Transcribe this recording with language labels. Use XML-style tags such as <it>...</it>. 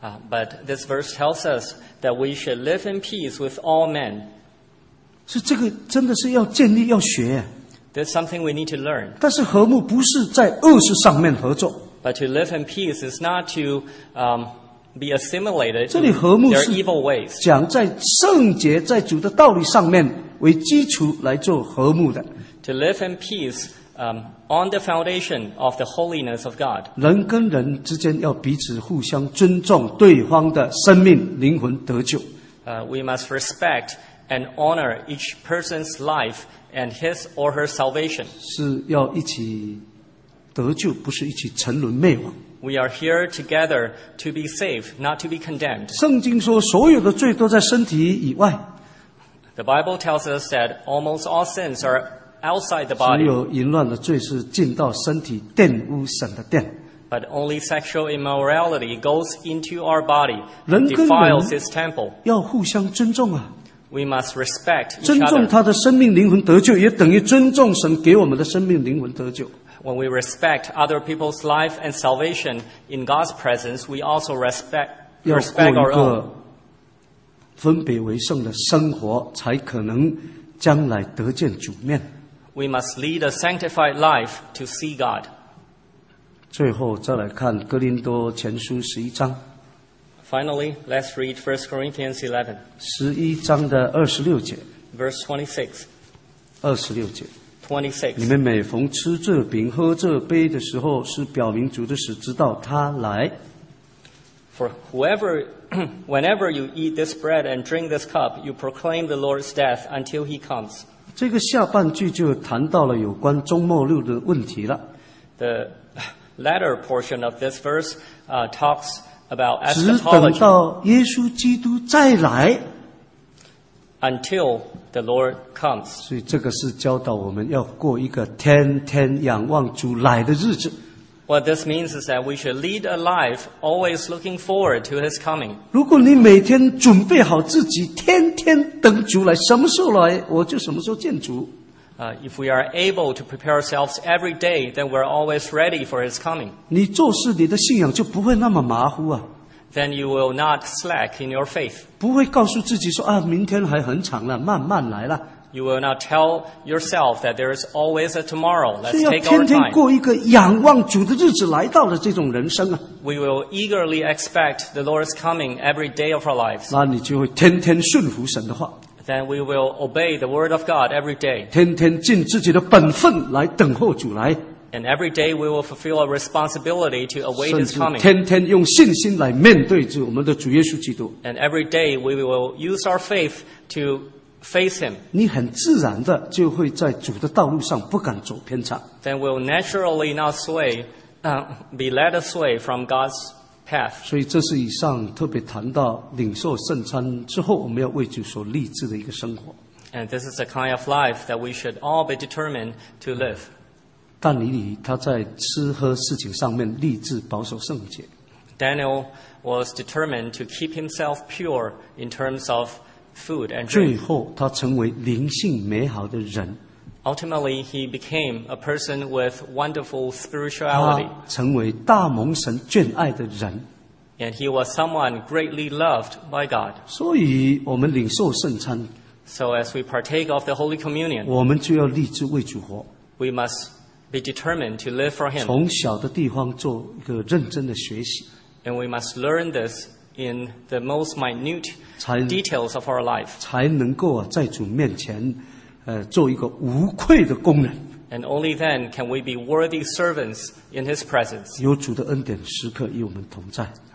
<en>But this verse tells us that we should live in peace with all men.</en> <zh>是这个真的是要建立要学。</zh> <en>That's something we need to learn.</en> <zh>但是和睦不是在恶事上面合作。</zh> <en>But to live in peace is not to be assimilated.</en> <zh>这里和睦是</zh> <en>their evil ways.</en> <zh>讲在圣洁在主的道理上面为基础来做和睦的。</zh> <en>To live in peace on the foundation of the holiness of God.</en> <zh>人跟人之间要彼此互相尊重对方的生命灵魂得救。</zh> <en>We must respect and honor each person's life and his or her salvation.</en> <zh>是要一起得救，不是一起沉沦灭亡。</zh> <en>We are here together to be saved, not to be condemned.</en> <zh>圣经说所有的罪都在身体以外。</zh> <en>The Bible tells us that almost all sins are outside the body.</en> <zh>只有淫乱的罪是进到身体，玷污神的殿。</zh> <en>But only sexual immorality goes into our body, defiles his temple.</en> <zh>要互相尊重啊。</zh> <en>We must respect each other.</en> <zh>尊重他的生命灵魂得救，也等于尊重神给我们的生命灵魂得救。</zh> <en>When we respect other people's life and salvation in God's presence, we also respect our own.</en> <zh>要过一个分别为圣的生活，才可能将来得见主面。</zh> <en>We must lead a sanctified life to see God.</en> <zh>最后再来看哥林多前书十一章。</zh> <en>Finally, let's read 1 Corinthians 11.</en> <zh>十一章的二十六节。</zh> <en>Verse 26.</en> <zh>二十六节。</zh> <en>26.</en> <zh>你们每逢吃这饼喝这杯的时候，是表明主的使，直到他来。</zh> <en>For whenever you eat this bread and drink this cup, you proclaim the Lord's death until he comes.</en> <zh>这个下半句就谈到了有关终末日的问题了。</zh> <en>The latter portion of this verse talks about eschatology.</en> <zh>只等到耶稣基督再来。</zh> <en>Until the Lord comes.</en> <zh>所以这个是教导我们要过一个天天仰望主来的日子。</zh> <en>What this means is that we should lead a life always looking forward to his coming.</en> <zh>如果你每天准备好自己，天天等主来，什么时候来，我就什么时候见主。</zh> <en>If we are able to prepare ourselves every day, then we're always ready for his coming.</en> <zh>你做事，你的信仰就不会那么马虎啊。</zh> <en>Then you will not slack in your faith.</en> <zh>不会告诉自己说啊，明天还很长了，慢慢来了。</zh> <en>You will not tell yourself that there is always a tomorrow. Let's take our time.</en> <zh>是要天天过一个仰望主的日子来到的这种人生啊。</zh> <en>We will eagerly expect the Lord's coming every day of our lives.</en> <zh>那你就会天天顺服神的话。</zh> <en>Then we will obey the word of God every day.</en> <zh>天天尽自己的本分来等候主来。</zh> <en>And every day we will fulfill a responsibility to await his coming.</en> <zh>甚至天天用信心来面对着我们的主耶稣基督。</zh> <en>And every day we will use our faith to face him.</en> <zh>你很自然的就会在主的道路上不敢走偏差。</zh> <en>Then we'll naturally not sway, be led astray from God's path.</en> <zh>所以这是以上特别谈到领受圣餐之后我们要为主所立志的一个生活。</zh> <en>And this is the kind of life that we should all be determined to live.</en> <zh>但以理他在吃喝事情上面立志保守圣洁。</zh> <en>Daniel was determined to keep himself pure in terms of food and drink.</en> <zh>最后他成为灵性美好的人。</zh> <en>Ultimately, he became a person with wonderful spirituality.</en> <zh>他成为大蒙神眷爱的人。</zh> <en>And he was someone greatly loved by God.</en> <zh>所以我们领受圣餐,</zh> <en>so as we partake of the Holy Communion,</en> <zh>我们就要立志为主活,</zh> <en>we must be determined to live for him.</en> <zh>从小的地方做一个认真的学习,</zh> <en>and we must learn this in the most minute</en> <zh>才,</zh> <en>details of our life.</en> <zh>才能够在主面前, 做一个无愧的工人。</zh> <en>And only then can we be worthy servants in his presence.</en> <zh>有主的恩典时刻与我们同在。</zh>